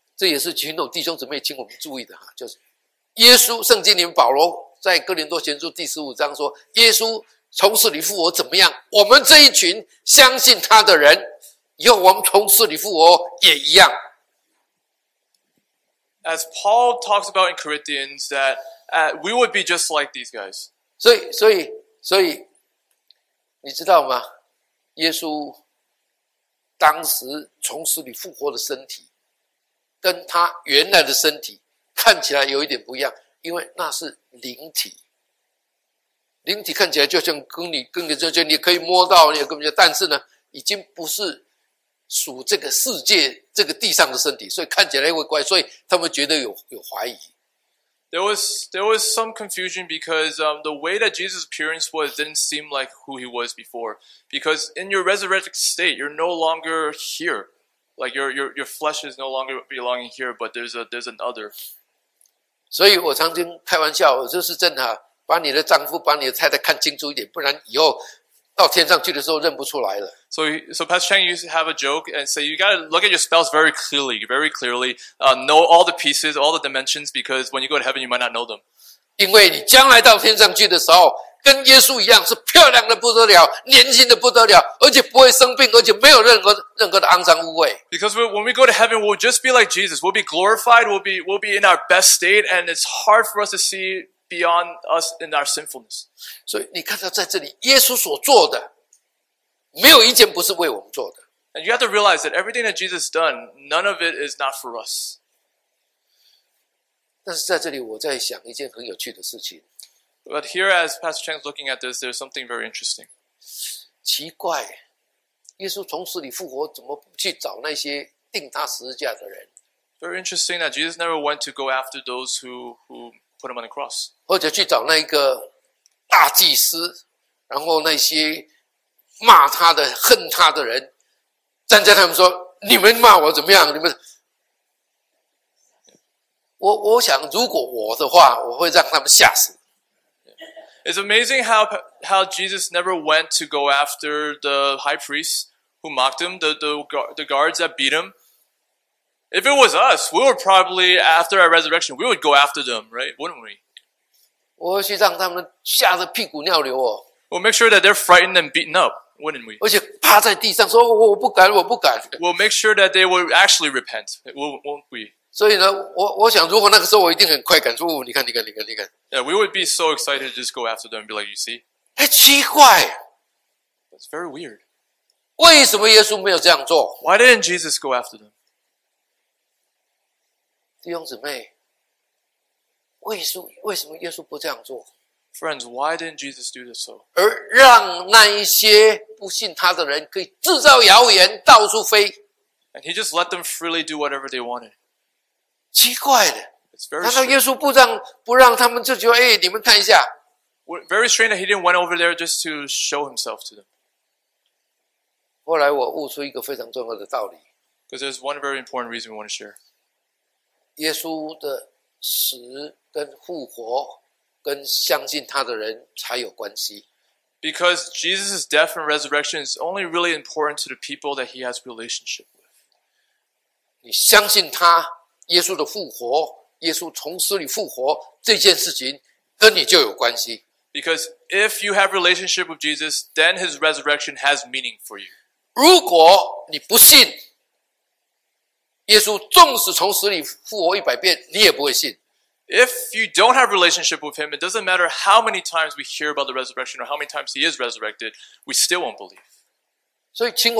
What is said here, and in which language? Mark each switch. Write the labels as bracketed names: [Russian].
[Chinese] 这也是群众弟兄姊妹请我们注意的哈，就是耶稣，圣经里面保罗在哥林多前书第十五章说，耶稣从死里复活怎么样？我们这一群相信他的人，以后我们从死里复活也一样。 [English] As Paul talks about in Corinthians that we would be just like these guys。 [Chinese] 所以。你知道吗？耶稣当时从死里复活的身体，跟他原来的身体看起来有一点不一样，因为那是灵体。灵体看起来就像跟你这些，你可以摸到，你根本就，但是呢，已经不是属这个世界、这个地上的身体，所以看起来会怪，所以他们觉得有怀疑。 [English] There was some confusion because the way that Jesus' appearance was didn't seem like who he was before. Because in your resurrected state, you're no longer here. Like your flesh is no longer belonging here, but there's an other. [Chinese] 所以我常经开玩笑，就是真的，把你的丈夫、把你的太太看清楚一点，不然以后到天上去的时候认不出来了。 [English] So Pastor Chang used to have a joke and say, you gotta look at your spouse very clearly, know all the pieces, all the dimensions, because when you go to heaven, you might not know them. [Chinese] 因为你将来到天上去的时候，跟耶稣一样，是漂亮的不得了，年轻的不得了，而且不会生病，而且没有任何的肮脏污秽。 [English] Because when we go to heaven, we'll just be like Jesus. We'll be glorified, we'll be in our best state, and it's hard for us to see beyond us in our sinfulness. [Chinese] 所以你看到在这里，耶稣所做的没有一件不是为我们做的。 [English] And you have to realize that everything that Jesus done, none of it is not for us. [Chinese] 但是在这里，我在想一件很有趣的事情。 [English] But here, as Pastor Chang is looking at this, there's something very interesting. [Chinese] 奇怪，耶稣从死里复活，怎么不去找那些钉他十字架的人 [English] ？Very interesting that Jesus never went to go after those who put him on the cross. [Chinese] 或者去找那一个大祭司，然后那些。骂他的、恨他的人，站在他们说：“你们骂我怎么样？你们，我想，如果我的话，我会让他们吓死。” [English] It's amazing how Jesus never went to go after the high priests who mocked him, the guards that beat him. If it was us, we would probably after our resurrection, we would go after them, right? Wouldn't we? [Chinese] 我会去让他们吓得屁股尿流哦。 [English] We'll make sure that they're frightened and beaten up. Wouldn't we? [Chinese] 而且趴在地上说我不敢，我不敢。 [English] We'll make sure that they will actually repent. Won't we? [Chinese] 所以呢，我想，如果那个时候我一定很快感说，你看。 [English] Yeah, we would be so excited to just go after them and be like, you see? [Chinese] 哎，奇怪。 [English] It's very weird. [Chinese] 为什么耶稣没有这样做 [English] ？Why didn't Jesus go after them? [Chinese] 弟兄姊妹，为什么耶稣不这样做？ [English] Friends, why didn't Jesus do this so? [Chinese] 而让那一些不信他的人可以制造谣言到处飞。 [English] And he just let them freely do whatever they wanted. [Chinese] 奇怪的。 [English] It's very strange that he didn't went over there just to show himself to them. Because there's one very important reason we want to share. [Chinese] 耶稣的死跟复活跟相信他的人才有关系。 [English] Because Jesus' death and resurrection is only really important to the people that he has relationship with. [Chinese] 你相信他耶稣的复活耶稣从死里复活这件事情跟你就有关系。 [English] Because if you have relationship with Jesus, then his resurrection has meaning for you. [Chinese] 如果你不信 耶稣纵使从死里复活100遍，你也不会信。 [English] If you don't have relationship with him, it doesn't matter how many times we hear about the resurrection or how many times he is resurrected, we still won't believe.